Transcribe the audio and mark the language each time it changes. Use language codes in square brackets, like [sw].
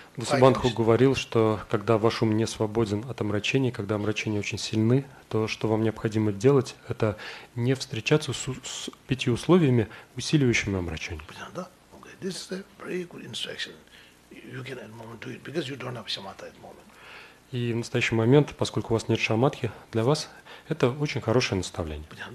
[ru] Дасубандху говорил, что когда ваш ум не свободен от омрачения, когда омрачения очень сильны, то что вам необходимо делать, это не встречаться с пяти условиями, усиливающими омрачение. Понятно, да? [en] Okay. This is a very good instruction. You can at the moment do it because you don't have shamatha at the moment. [ru] И в настоящий момент, поскольку у вас нет шамадхи, для вас это очень хорошее наставление.